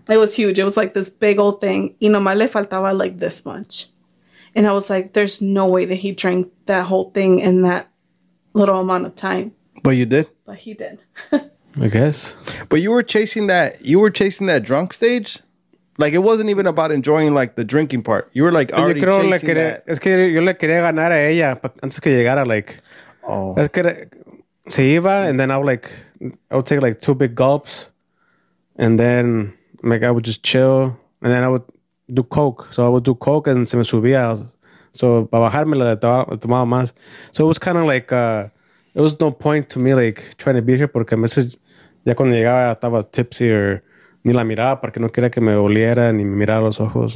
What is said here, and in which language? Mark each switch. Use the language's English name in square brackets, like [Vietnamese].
[English] It was huge. It was like this big old thing. [Spanish] Y nomás le faltaba [English] like this much. And I was like, there's no way that he drank that whole thing in that little amount of time. But you did? But he did. I guess. But you were chasing that drunk stage? Like, it wasn't even about enjoying, like, the drinking part. You were, like, already chasing that. [Spanish] Es que yo le quería ganar a ella antes que llegara, like. [English] Oh. [Spanish] Es que se iba, [English] and then I would take, like, two big gulps. And then, like, I would just chill. And then I would do coke. So I would do coke and [Spanish] se me subía. [English] So [Spanish] para bajarme la tomaba más. [English] So it was kind of like, it was no point to me like trying to be here [Spanish] porque a veces ya cuando llegaba estaba [English] tipsy or [Spanish] ni la miraba porque no quería que me oliera ni me mirara los ojos.